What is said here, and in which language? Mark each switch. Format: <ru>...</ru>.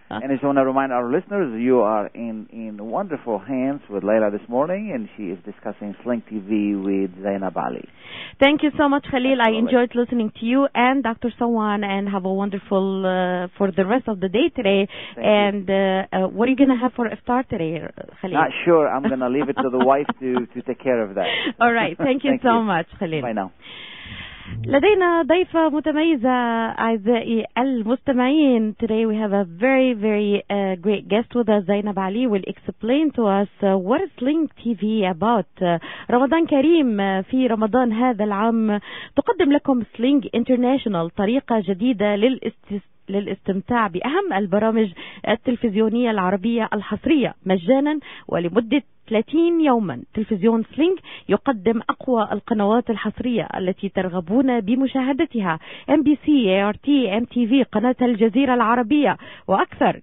<en>And I just want to remind our listeners, you are in wonderful hands with Layla this morning, and she is discussing Sling TV with Zainab Ali. Thank you so much, Khalil. Absolutely. I enjoyed listening to you and Dr. Sawan, and have a wonderful for the rest of the day today. Thank you. What are you going to have for iftar today, Khalil? Not sure. I'm going to leave it to the wife to take care of that. All right. Thank you Thank you so much, Khalil. Bye now.</en> <ar>لدينا ضيفة متميزة أعزائي المستمعين.</ar> <en>Today we have a very, very great guest with us. Zainab Ali will explain to us what is Sling TV about.</en> <ar>رمضان كريم. في رمضان هذا العام تقدم لكم Sling International, طريقة جديدة للاستمتاع بأهم البرامج التلفزيونية العربية الحصرية مجانا ولمدة 30 يوما. تلفزيون سلينج يقدم أقوى القنوات الحصرية التي ترغبون بمشاهدتها: MBC, ART, MTV, قناة الجزيرة العربية وأكثر.</ar>